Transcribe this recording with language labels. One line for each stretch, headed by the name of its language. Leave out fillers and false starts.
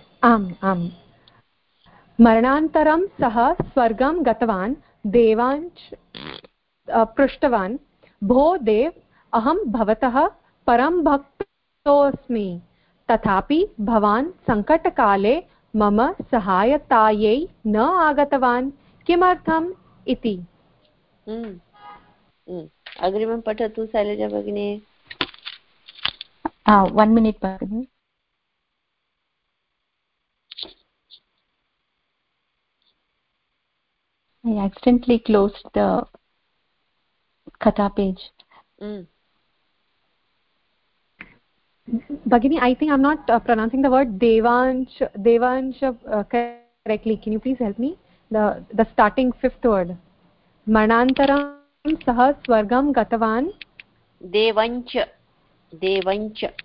Sanskrit: आम् आम्, मरणान्तरं सः स्वर्गं गतवान्, देवांश पृष्टवान्, भो देव अहं भवतः परं भक्तोऽस्मि, तथापि भवान् सङ्कटकाले मम सहायतायै न आगतवान्, किमर्थम् इति। अग्रिमं पठतु शैलजा भगिनी।
English: One minute भगिनि। I accidentally closed the कथा page. Bhagini, I think I'm not pronouncing the word Devansh, Devansh correctly. Can you please help me? The starting fifth word.
Sanskrit: Maranantaram saha swargam gatavan. Devansh. Devansh.